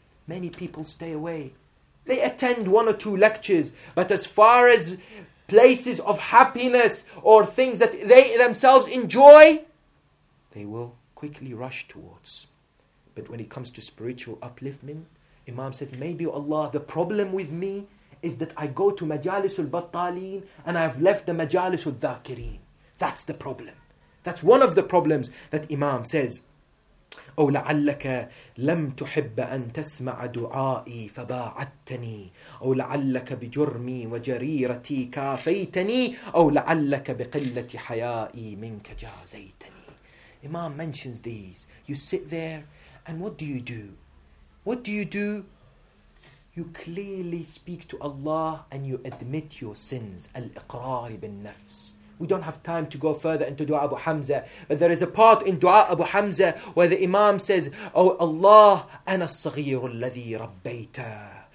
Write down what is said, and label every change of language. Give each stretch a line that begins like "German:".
English: Many people stay away. They attend one or two lectures, but as far as places of happiness or things that they themselves enjoy, they will quickly rush towards. But when it comes to spiritual upliftment, Imam said, maybe Allah, the problem with me is that I go to Majalis al-Battalin and I've left the Majalis al-Dhakirin. That's the problem. That's one of the problems that Imam says.
Arabic: أو لعلك لم تحب أن تسمع دعائي فباعدتني أو لعلك بجرمي وجريرتي كافيتني أو لعلك بقلة حيائي منك جازيتني.
English: Imam mentions these. You sit there, and what do you do? What do you do? You clearly speak to Allah and you admit your sins.
Arabic: الإقرار بالنفس.
English: We don't have time to go further into Dua Abu Hamza, but there is a part in Dua Abu Hamza where the Imam says, oh Allah,
Arabic: ana as-saghir alladhi rabbayta.